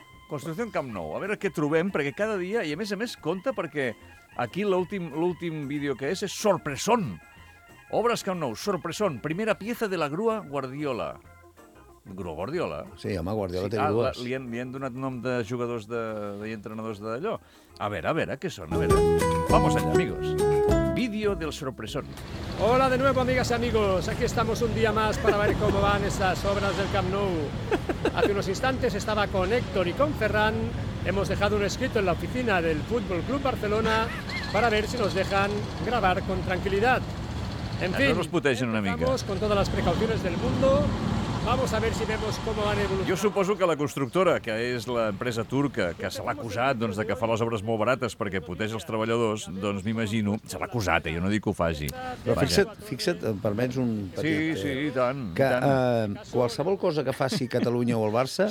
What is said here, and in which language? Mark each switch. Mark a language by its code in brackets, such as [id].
[ca] Construcció en camp nou, a veure què trobem, perquè cada dia, i a més, compta, perquè aquí l'últim vídeo que és sorpresón. Obres Camp Nou, sorpresón, [es] primera pieza de la [ca] grua Guardiola. Grua Guardiola? Sí, home, Guardiola té dues. Li han donat nom de jugadors i entrenadors d'allò. A veure, què són? A veure. [es] Vamos allá, amigos. Vídeo del sorpresón. Hola de nuevo, amigas y amigos. Aquí estamos un día más para ver cómo van esas obras del Camp Nou. Hace unos instantes estaba con Héctor y con Ferran. Hemos dejado un escrito en la oficina del Fútbol Club Barcelona para ver si nos dejan grabar con tranquilidad. En fin, [ca] no putegen una mica. [es] Con todas las precauciones del mundo. Vamos a ver si vemos cómo van evolucionando. [ca] Jo suposo que la constructora, que és l'empresa turca, que se l'ha acusat de que fa les obres molt barates perquè puteja els treballadors, doncs m'imagino, se l'ha acusat, jo no dic que ho faci. Però fixa't, em permets un petit... Sí, i tant. Que i tant. Qualsevol cosa que faci Catalunya o el Barça